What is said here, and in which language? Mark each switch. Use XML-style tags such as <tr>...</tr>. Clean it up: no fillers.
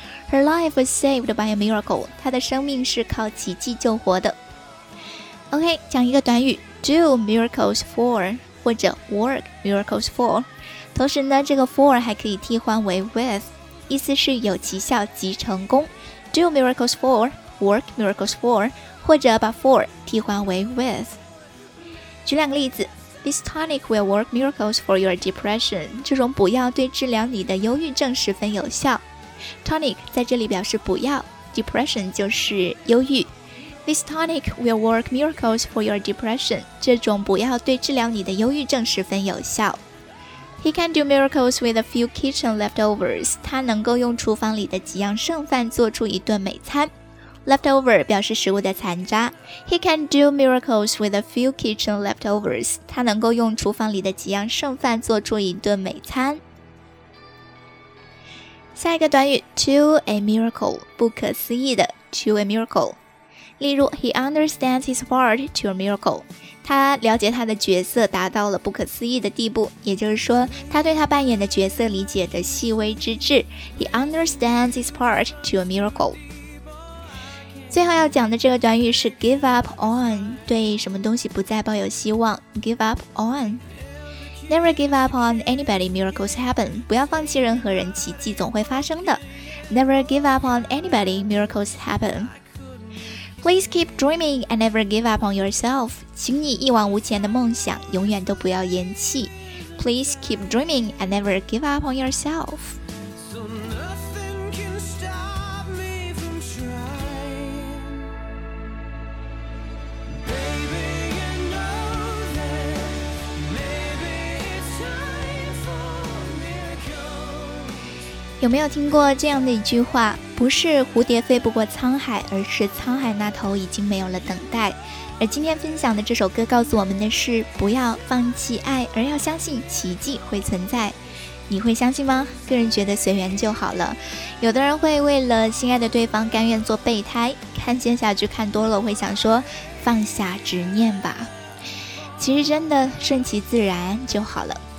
<en>Her life was saved by a miracle.</en> <zh>她的生命是靠奇迹救活的。 OK, 讲一个短语 ,do miracles for... 或者 work miracles for, 同时呢，这个 for 还可以替换为 with, 意思是有奇效即成功。</zh> <en>Do miracles for, work miracles for, 或者把 for 替换为 with。</en> <zh>举两个例子</zh> <en>，This tonic will work miracles for your depression.</en> <zh>这种补药对治疗你的忧郁症十分有效。Tonic 在这里表示补药 ，depression 就是忧郁。</zh> <en>This tonic will work miracles for your depression.</en> <zh>这种补药对治疗你的忧郁症十分有效。</zh> <en>He can do miracles with a few kitchen leftovers.</en> <zh>他能够用厨房里的几样剩饭做出一顿美餐。 Leftover 表示食物的残渣。</zh> <en>He can do miracles with a few kitchen leftovers.</en> <zh>他能够用厨房里的几样剩饭做出一顿美餐。下一个短语 ,to a miracle, 不可思议的 ,to a miracle. 例如</zh> <en>He understands his part to a miracle.</en> <zh>他了解他的角色达到了不可思议的地步，也就是说他对他扮演的角色理解的细微之至。</zh> <en>He understands his part to a miracle.</en> <zh>最后要讲的这个短语是 give up on, 对什么东西不再抱有希望。</zh> <en>Give up on. Never give up on anybody, miracles happen.</en> <zh>不要放弃任何人，奇迹总会发生的。</zh> <en>Never give up on anybody, miracles happen. Please keep dreaming and never give up on yourself.</en> <zh>请你一往无前的梦想永远都不要言弃。</zh> <en>Please keep dreaming and never give up on yourself. So nothing can stop me from trying. Baby, you know that maybe it's time for miracles.</en> <zh>有没有听过这样的一句话？不是蝴蝶飞不过沧海，而是沧海那头已经没有了等待。而今天分享的这首歌告诉我们的是，不要放弃爱，而要相信奇迹会存在。你会相信吗？个人觉得随缘就好了。有的人会为了心爱的对方甘愿做备胎，看仙侠剧看多了会想说放下执念吧，其实真的顺其自然就好了。</zh>